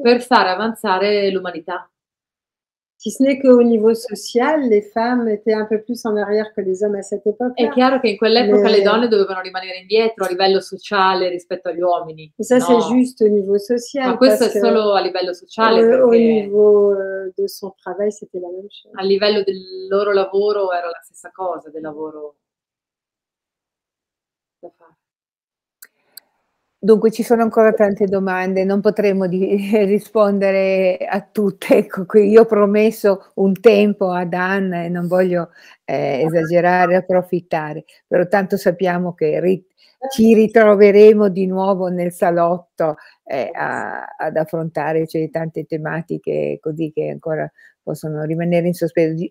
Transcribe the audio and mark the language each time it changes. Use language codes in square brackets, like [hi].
[it] Per far avanzare l'umanità. [fr] Si ce n'est qu'au niveau social, les femmes étaient un peu plus en arrière que les hommes à cette époque. [it] È chiaro che in quell'epoca le donne dovevano rimanere indietro a livello sociale rispetto agli uomini. [fr] Ça, c'est juste au niveau social. [it] Ma questo è solo a livello sociale. [fr] Au niveau de son travail, c'était la même chose. [it] A livello del loro lavoro era la stessa cosa, del lavoro da fare. Dunque, ci sono ancora tante domande, non potremo rispondere a tutte. Ecco, io ho promesso un tempo ad Anna e non voglio esagerare, approfittare, però tanto sappiamo che ci ritroveremo di nuovo nel salotto ad affrontare tante tematiche così che ancora possono rimanere in sospeso.